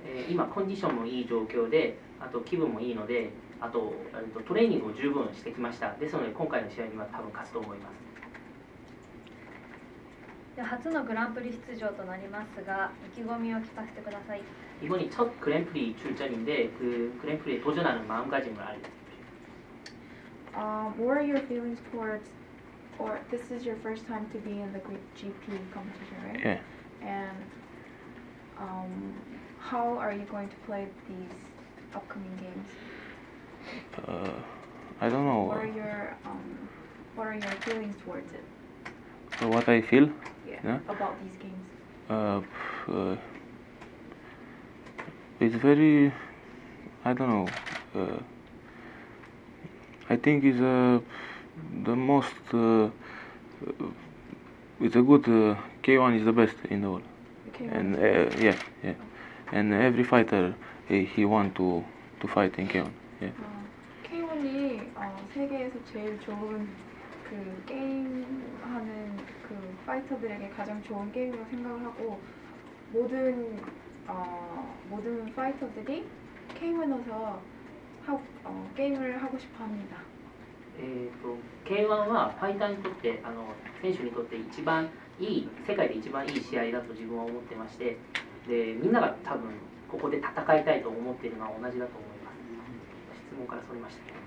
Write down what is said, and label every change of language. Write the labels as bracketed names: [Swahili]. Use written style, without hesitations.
[Japanese] 今コンディションもいい状況で、あと気分もいいので、あとトレーニングも十分してきました。ですので今回の試合には多分勝つと思います。初のグランプリ出場となりますが、意気込みを聞かせてください。 [Korean] 이번이첫그랜프리출전인데그그랜프리에도전하는마음가짐을알려주십시오 [English] What are your feelings towards, or this is your first time to be in the GP competition, right? Yeah. And How are you going to play these upcoming games? I don't know. What are your feelings towards it? What I feel? Yeah. About these games. It's very. I don't know. I think it's the most. It's a good K1 is the best in the world. Okay. And yeah. Okay. And every fighter, he want to fight in K1. Yeah. [Korean] K1이 세계에서제일좋은그게임하는그파이터들에게가장좋은게임이라고생각을하고모든파이터들이 K1 에서하게임을하고싶어합니다 [Japanese] K1 [Korean] 와파이터 [Japanese] にとって選手にとって一番いい世界で一番いい試合だと自分は思ってまして。でみんなが多分ここで戦いたいと思っているのは同じだと思います。質問からそれました。